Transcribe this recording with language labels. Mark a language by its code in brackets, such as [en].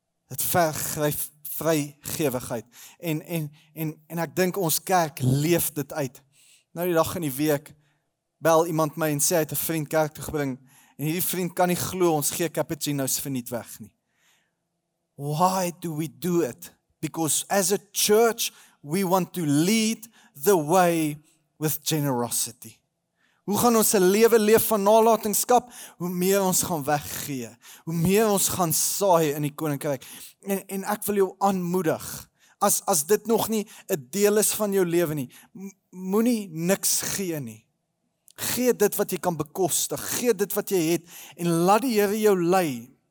[af] Het vergryf vrygewigheid. En ek dink ons kerk leef dit uit. Nou die dag in die week bel iemand my en sê hy het 'n vriend kerk toe gebring en hierdie vriend kan nie glo ons gee cappuccinos vir niet weg nie. [en] Why do we do it? Because as a church we want to lead the way with generosity. [af] Hoe gaan ons 'n lewe leef van nalatenskap? Hoe meer ons gaan weggee, hoe meer ons gaan saai in die koninkryk. En ek wil jou aanmoedig, as dit nog nie 'n deel is van jou lewe nie, moenie niks gee nie. Gee dit wat jy kan bekostig, gee dit wat jy het, en laat die Here jou lei.